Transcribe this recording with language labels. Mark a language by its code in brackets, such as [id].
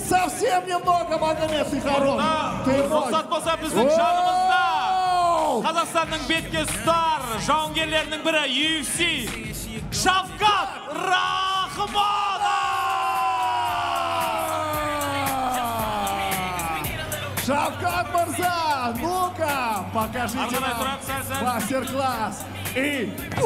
[ru] Совсем немного, Магомед, ты хорош! Ты хорош! [kk] Қазақстанның бетке ұстар жауынгерлерінің бірі UFC Шавкат Рахманов! [ru] Шавкат мырза, ну-ка, покажите нам мастер-класс. И...